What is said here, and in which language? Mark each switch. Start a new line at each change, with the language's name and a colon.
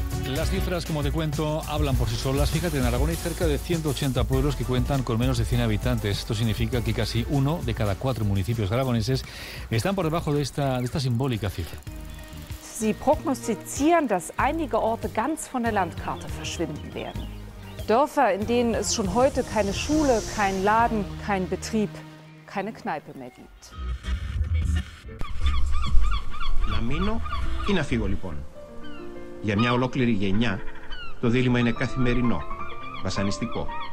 Spanish: Las cifras, como te cuento, hablan por sí solas. Fíjate, en Aragón hay cerca de 180 pueblos que cuentan con menos de 100 habitantes. Esto significa que casi uno de cada cuatro municipios aragoneses están por debajo de esta simbólica cifra.
German: Sie prognostizieren, dass einige Orte ganz von der Landkarte verschwinden werden. Dörfer, in denen es schon heute keine Schule, keinen Laden, keinen Betrieb, keine Kneipe mehr gibt.
Greek: Να μείνω ή να φύγω λοιπόν. Για μια ολόκληρη γενιά το δίλημα είναι καθημερινό, βασανιστικό.